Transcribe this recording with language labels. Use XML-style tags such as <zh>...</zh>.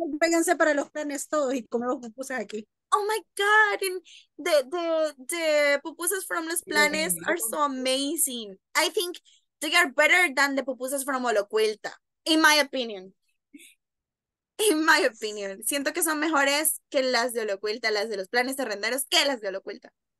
<es>Vénganse para los planes todos y comemos pupusas aquí.</es> <en>Oh my God, and the pupusas from los planes are so amazing. I think they are better than the pupusas from Olocuilta, in my opinion. In my opinion.</en> <es>Siento que son mejores que las de Olocuilta, las de los planes terrenderos, que las de Olocuilta.</es>